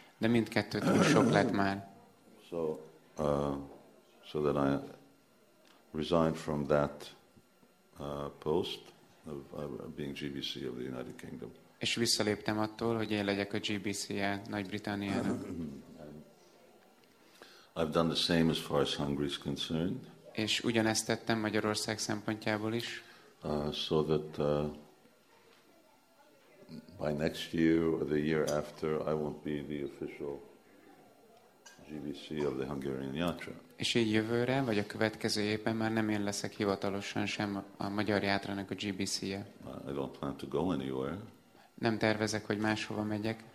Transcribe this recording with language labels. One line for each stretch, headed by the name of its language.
Hungarian: De mindkettő túl sok lett már.
English: So that I resigned from that post of being GBC of the United Kingdom.
Hungarian: És visszaléptem attól, hogy én legyek a GBC-je Nagy-Britániának.
English: I've done the same as far as Hungary is concerned.
Hungarian: És ugyanezt tettem Magyarország szempontjából is.
English: So that by next year or the year after, I won't be the official GBC of the Hungarian Yatra.
Hungarian: És így jövőre, vagy a következő évben már nem én leszek hivatalosan sem a Magyar Játranak a GBC-je.
English: I don't plan to go anywhere.
Hungarian: Nem tervezek, hogy máshova megyek.